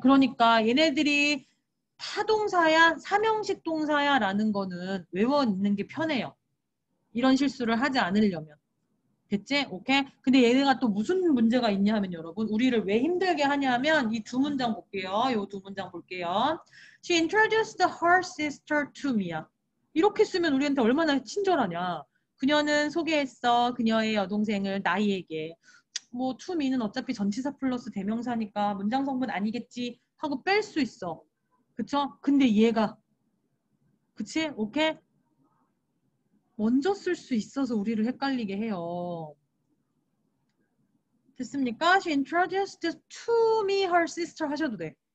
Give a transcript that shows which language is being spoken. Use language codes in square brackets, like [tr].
[ko] 그러니까 얘네들이 타동사야, 삼형식 동사야라는 거는 외워 있는 게 편해요. 이런 실수를 하지 않으려면. 됐지? 오케이? 근데 얘네가 또 무슨 문제가 있냐면 여러분, 우리를 왜 힘들게 하냐면 이두 문장 볼게요. 요두 문장 볼게요. [en] She introduced her sister to me야. [ko] 이렇게 쓰면 우리한테 얼마나 친절하냐. 그녀는 소개했어. 그녀의 여동생을 나이에게. 뭐 to me는 어차피 전치사 플러스 대명사니까 문장 성분 아니겠지 하고 뺄수 있어. 그쵸? 근데 얘가. 그치? 오케이? 먼저 쓸수 있어서 우리를 헷갈리게 해요. 됐습니까? [en] She introduced to me her sister [ko] 하셔도 돼.